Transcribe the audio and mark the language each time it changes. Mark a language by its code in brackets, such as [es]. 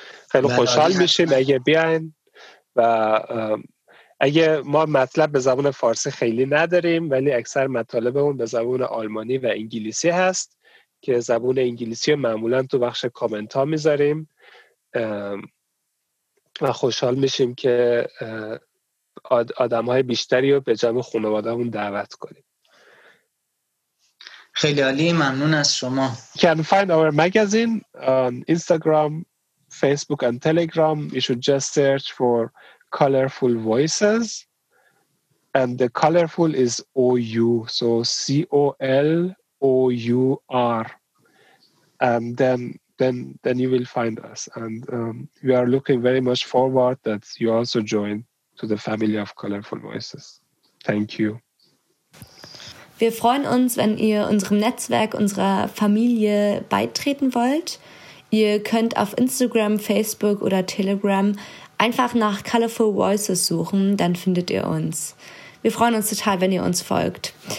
[fa] خیلی خوشحال میشیم اگه بیاین. و اگه ما مطلب به زبان فارسی خیلی نداریم، ولی اکثر مطالبمون به زبان آلمانی و انگلیسی هست که زبان انگلیسی معمولا تو بخش کامنت ها میذاریم، و خوشحال میشیم که آدم های بیشتری رو به جمع خانواده همون دعوت کنیم. خیلی عالی، ممنون از شما. [en] You can find our magazine on Instagram, Facebook and Telegram. You should just search for colorful voices, and the colorful is OU, so colour, and then you will find us, and we are looking very much forward that you also join to the family of colorful voices. Thank you. [de] Wir freuen uns, wenn ihr unserem Netzwerk, unserer Familie beitreten wollt. Ihr könnt auf Instagram, Facebook oder Telegram einfach nach Colorful Voices suchen, dann findet ihr uns. Wir freuen uns total, wenn ihr uns folgt.